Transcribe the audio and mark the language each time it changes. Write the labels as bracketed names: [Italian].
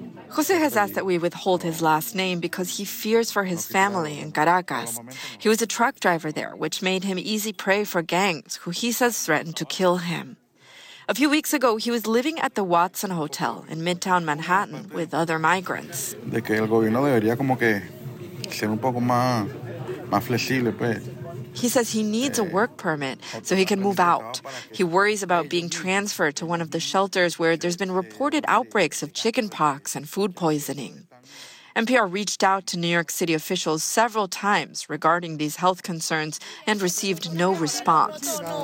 [English] Jose has asked that we withhold his last name because he fears for his family in Caracas. He was a truck driver there, which made him easy prey for gangs who he says threatened to kill him. A few weeks ago, he was living at the Watson Hotel in Midtown Manhattan with other migrants. [Spanish] De que el gobierno debería como que ser un poco más flexible, pues. [English] He says he needs a work permit so he can move out. He worries about being transferred to one of the shelters where there's been reported outbreaks of chickenpox and food poisoning. NPR reached out to New York City officials several times regarding these health concerns and received no response.